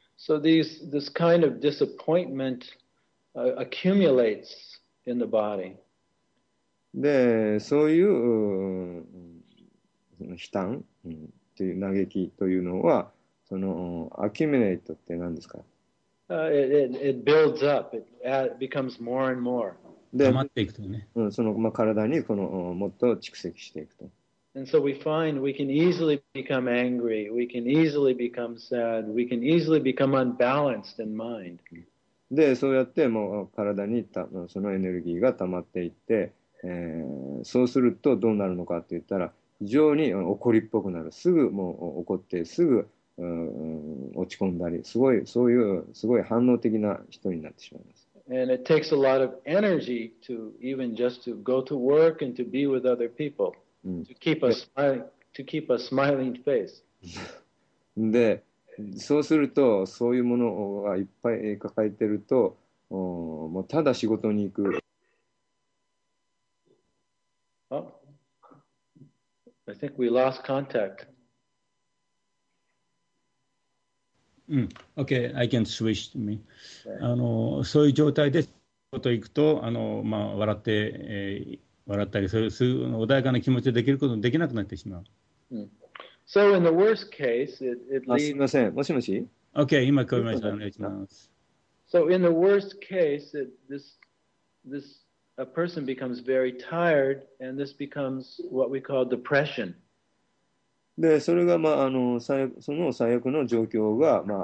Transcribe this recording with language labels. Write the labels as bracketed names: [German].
[English] So this kind of disappointment accumulates in the body. [Japanese] で、そういう悲嘆という嘆きというのは、そのアキュミネートって何ですか？ [English] It builds up. It becomes more and more. [Japanese] で、溜まっていくとね。うん、その、体にこのもっと蓄積していくと。 [English] And so we find we can easily become angry. We can easily become sad. We can easily become unbalanced in mind. [Japanese] で、そうやってもう体にそのエネルギーが溜まっていって、そうするとどうなるのかって言ったら、非常に怒りっぽくなる。すぐもう怒って、すぐ落ち込んだり、すごい、そういうすごい反応的な人になってしまいます。 [English] And it takes a lot of energy to even just to go to work and to be with other people to keep a smiling face. [Japanese] で、そうするとそういうものをいっぱい抱えてると、もうただ仕事に行く。 [English] I think we lost contact. うん、Okay, I can switch to me. [Japanese] そういう状態で仕事行くと、笑って、笑ったり、そういう穏やかな気持ちでできることができなくなってしまう。 [English] So in the worst case, it leads... [Japanese] すみません、もしもし？ Okay, 今聞こえました。お願いします。 [English] So in the worst case, this a person becomes very tired, and this becomes what we call depression. [Japanese] で、それが、その最悪の状況が、